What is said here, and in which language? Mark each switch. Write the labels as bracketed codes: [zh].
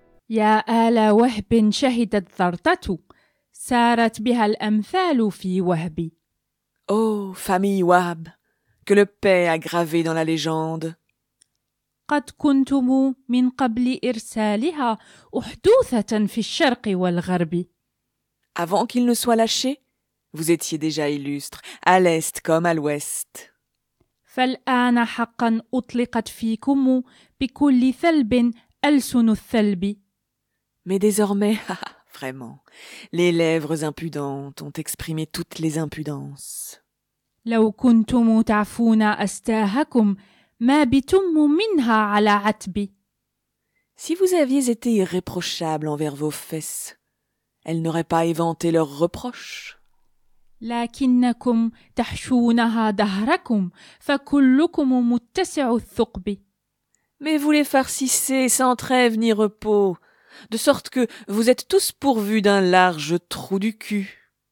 [ar] يا آل وهب شهدت ثرتة سارت بها الأمثال في وهب. [fr] Oh, famille Wahb, que le paix a gravé dans la légende. [ar] قد كنتم من قبل إرسالها أحدوثة في الشرق والغرب. [fr] Avant qu'il ne soit lâché, vous étiez déjà illustre, à l'est comme à l'ouest. [ar] فالآن حقا أطلقت فيكم بكل ثلب ألسن الثلب. [fr] Mais désormais, vraiment, les lèvres impudentes ont exprimé toutes les impudences. [ar] لو كنتم تعفون أستاهكم ما بتم منها على عتبي. [fr] Si vous aviez été irréprochable envers vos fesses, elles n'auraient pas éventé leurs reproches. [ar] لكنكم تحشونها دهركم فكلكم متسع الثقب. [fr] Mais vous les farcissez sans trêve ni repos. De sorte que vous êtes tous pourvus d'un large trou du cul.